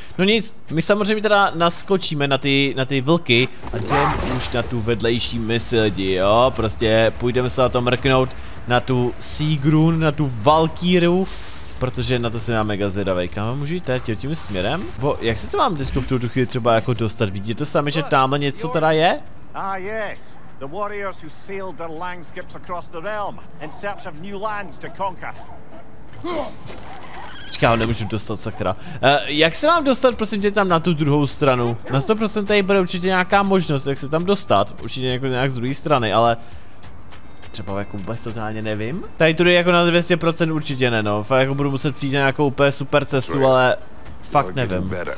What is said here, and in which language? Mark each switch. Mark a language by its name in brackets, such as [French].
[Czech] No nic, my samozřejmě teda naskočíme na ty vlky a jdeme už na tu vedlejší misi lidi, jo. Prostě půjdeme se na to mrknout na tu Sigrun, na tu Valkýru, protože na to se mám mega zvědavý. Kam můžu jít teď tím směrem? Bo jak se to mám dnesku v tu duchy třeba jako dostat? Vidíte to sami, že tamhle něco teda je? [English] The warriors who sailed their landscapes across the realm in search of new lands to conquer. [Czech] Počkej, nemůžu dostat, sakra. Jak se mám dostat, prosím tě, tam na tu druhou stranu? Na 100% tady bude určitě nějaká možnost, jak se tam dostat. Určitě nějak z druhé strany, ale... třeba jako vůbec totálně nevím. Tady tudy jako na 200% určitě ne, no. Fakt jako budu muset přijít na nějakou úplně super cestu, ale fakt nevím.